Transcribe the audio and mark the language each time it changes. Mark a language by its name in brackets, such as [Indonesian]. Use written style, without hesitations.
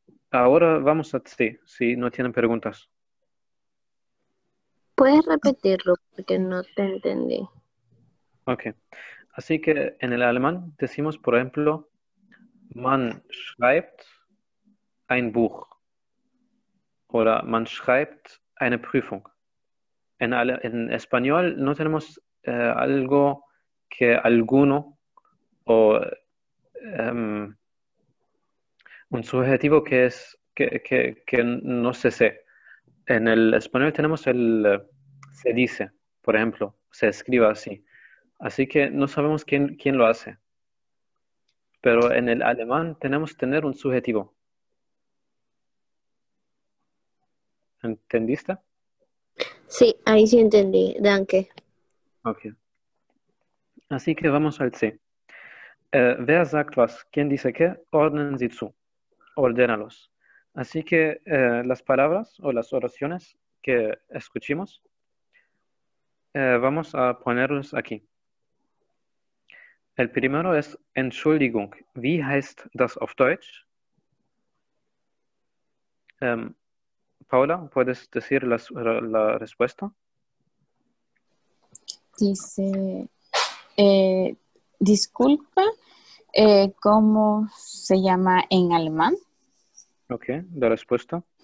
[Spanish] Ahora vamos a sí, si no tienen preguntas. Puedes repetirlo porque no te entendí. Ok. Así que en el alemán decimos, por ejemplo, [German] man schreibt ein Buch. oder man schreibt eine Prüfung. [Spanish] En español no tenemos algo que alguno o un subjetivo que es que no se sé. En el español tenemos el se dice, por ejemplo, se escribe así. Así que no sabemos quién lo hace. Pero en el alemán tenemos que tener un subjetivo. ¿Entendiste? Sí, ahí sí entendí. Danke. Ok. Así que vamos al C. [German] Wer sagt was? [Spanish] ¿Quién dice qué? [German] Ordnen Sie zu. [Spanish] Ordénalos. Así que las palabras o las oraciones que escuchamos, vamos a ponerlos aquí. El primero es Entschuldigung. [German] ¿Wie heißt das auf Deutsch? [Spanish] Paula, ¿puedes decir la respuesta? Dice, disculpa, ¿cómo se llama en alemán? Ok, la respuesta.